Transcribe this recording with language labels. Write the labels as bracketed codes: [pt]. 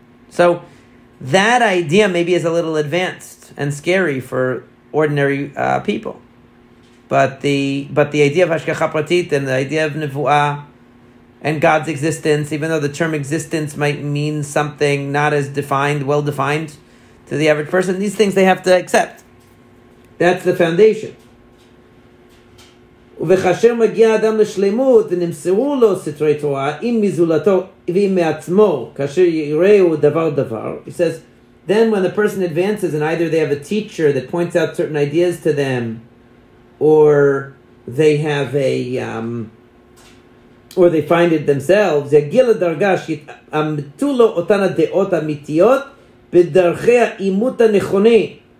[en] So that idea maybe is a little advanced and scary for ordinary people. But the idea of Hashgacha Pratit and the idea of Nevuah and God's existence, even though the term existence might mean something not as defined, well-defined to the average person, these things they have to accept. That's the foundation. [he] וכאשר מגיע אדם לשלמות ונמסרו לו סתרי תורה עם מזולתו ועם מעצמו כאשר יראו דבר דבר. [en] He says, then when the person advances and either they have a teacher that points out certain ideas to them or they have a or they find it themselves, [he] יגיע לדרגה שיתאמתו לו אותן הדעות האמיתיות בדרכי האימות הנכוני.